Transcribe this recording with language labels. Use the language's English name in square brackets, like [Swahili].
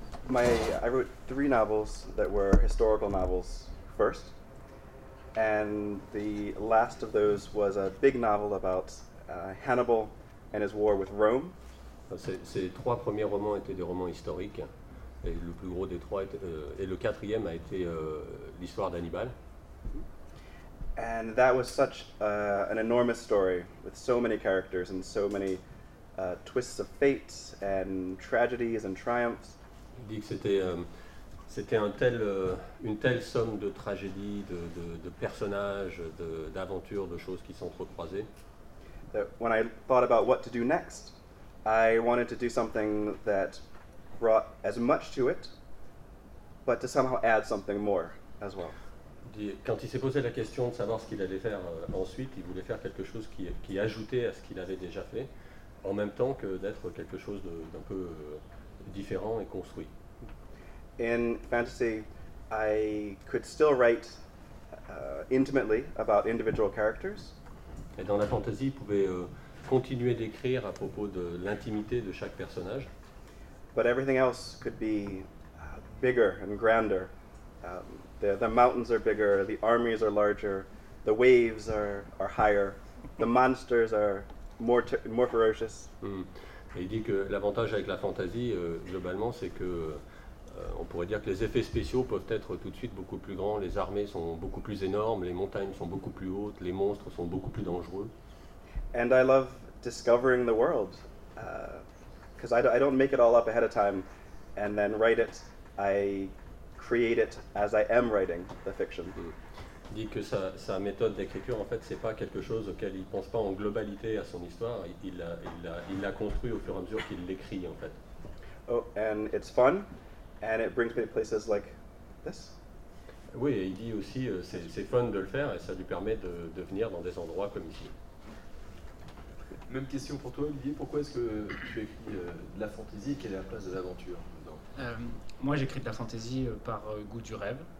[English] I wrote three novels that were historical novels first. And the last of those was a big novel about Hannibal and his war with Rome. [French] Ces trois premiers romans étaient des romans historiques, et le plus gros des trois et le quatrième a été l'histoire d'Hannibal. [English] And that was such an enormous story with so many characters and so many twists of fate and tragedies and triumphs. [French] Il dit que c'était une telle somme de tragédies, de personnages, d'aventures, de choses qui s'entrecroisaient. [English] That when I thought about what to do next, I wanted to do something that brought as much to it, but to somehow add something more as well. [French] Quand il s'est posé la question de savoir ce qu'il allait faire ensuite, il voulait faire quelque chose qui ajoutait à ce qu'il avait déjà fait, en même temps que d'être quelque chose d'un peu différent et construit. [English] In fantasy, I could still write intimately about individual characters. [French] Et dans la fantasy, il pouvait continuer d'écrire à propos de l'intimité de chaque personnage. [English] But everything else could be bigger and grander. The mountains are bigger, the armies are larger, the waves are higher, the monsters are more ferocious. [French] Et il dit que l'avantage avec la fantasy, globalement, c'est que on pourrait dire que les effets spéciaux peuvent être tout de suite beaucoup plus grands, les armées sont beaucoup plus énormes, les montagnes sont beaucoup plus hautes, les monstres sont beaucoup plus dangereux. [English] And I love discovering the world, because I don't make it all up ahead of time and then write it, I create it as I am writing the fiction. [French] Il dit que sa méthode d'écriture, en fait, c'est pas quelque chose auquel il pense pas en globalité à son histoire, il la construit au fur et à mesure qu'il l'écrit, en fait. [English] and it's fun, and it brings me to places like this. [French] Oui, il dit aussi c'est fun de le faire et ça lui permet de venir dans des endroits comme ici. Même question pour toi, Olivier. Pourquoi est-ce que tu écris de la fantaisie et quelle est la place de l'aventure dedans? Moi, j'écris de la fantaisie par goût du rêve.